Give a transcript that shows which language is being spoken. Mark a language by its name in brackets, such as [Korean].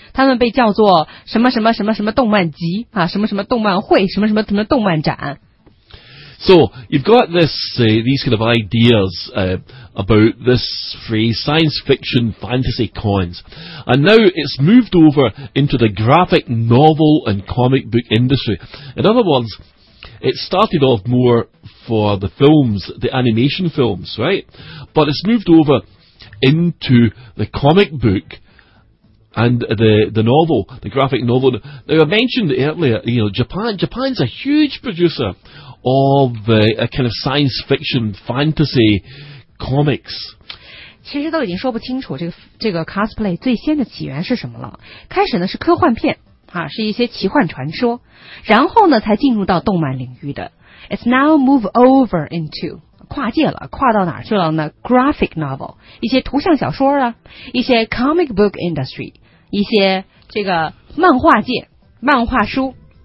[Chinese] 他们被叫做什么什么什么什么动漫集、啊、什么什么动漫会什么什么什么动漫展。 [English] So, you've got this, these kind of ideas, about this phrase, science fiction fantasy cons. And now it's moved over into the graphic novel and comic book industry. In other words, it started off more for the films, the animation films, right? But it's moved overinto the comic book and the novel, the graphic novel. Now, I mentioned earlier, you know, Japan's a huge producer of a kind of science fiction fantasy comics. [Chinese] 其实都已经说不清楚这个 cosplay 最先的起源是什么了。开始呢是科幻片啊，是一些奇幻传说，然后呢才进入到动漫领域的。 [English] It's now move over into. [Chinese] 跨界了，跨到哪儿去了呢 ？Graphic novel， 一些图像小说啊，一些 comic book industry， 一些这个漫画界、漫画书。